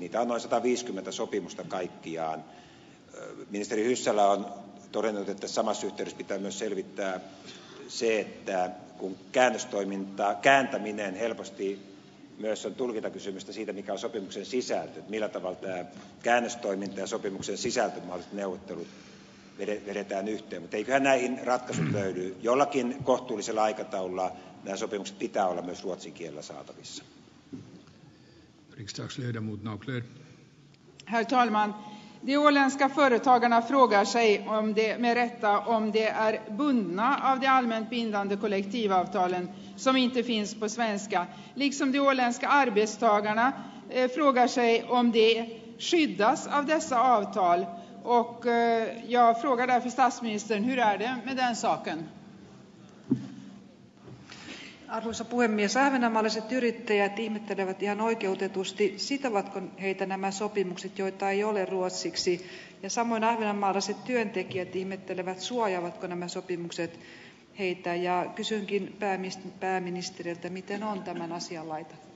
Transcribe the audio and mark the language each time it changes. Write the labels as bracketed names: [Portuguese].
[Finnish] Niitä on noin 150 sopimusta kaikkiaan. Ministeri Hyssälä on todennut, että samassa yhteydessä pitää myös selvittää se, että kun kääntäminen helposti myös on tulkintakysymystä siitä, mikä on sopimuksen sisältö, että millä tavalla tämä käännöstoiminta ja sopimuksen sisältö mahdolliset neuvottelut vedetään yhteen. Mutta eiköhän näihin ratkaisut löydy. Jollakin kohtuullisella aikataululla nämä sopimukset pitää olla myös ruotsin kielellä saatavissa. [Swedish] Riksdagsledamot Naukler. Herr talman. De åländska företagarna frågar sig om det med rätta om det är bundna av de allmänt bindande kollektivavtalen som inte finns på svenska. Liksom de åländska arbetstagarna frågar sig om det skyddas av dessa avtal. Och jag frågar därför statsministern, hur är det med den saken? [Finnish] Arvoisa puhemies, ahvenanmaalaiset yrittäjät ihmettelevät ihan oikeutetusti, sitovatko heitä nämä sopimukset, joita ei ole ruotsiksi. Ja samoin ahvenanmaalaiset työntekijät ihmettelevät, suojaavatko nämä sopimukset heitä. Ja kysynkin pääministeriltä, miten on tämän asian laita?